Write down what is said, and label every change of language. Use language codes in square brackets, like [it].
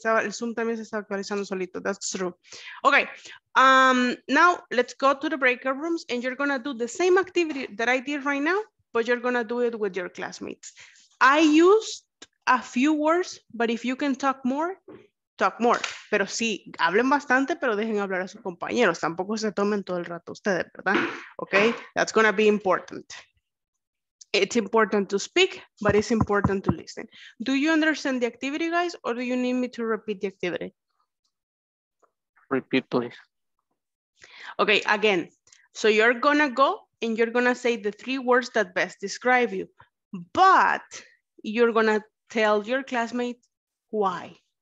[es] El Zoom también se está actualizando solito. [en] That's true. Okay. Now, let's go to the breakout rooms and you're going to do the same activity that I did right now, but you're going to do it with your classmates. I used a few words, but if you can talk more, talk more. [es] Pero sí, hablen bastante, pero dejen hablar a sus compañeros. Tampoco se tomen todo el rato ustedes, ¿verdad? [en] Okay. That's going to be important. It's important to speak, but it's important to listen. Do you understand the activity, guys, or do you need me to repeat the activity? Repeat, please. Okay, again. So you're gonna go and you're gonna say the three words that best describe you, but you're gonna tell your classmate why.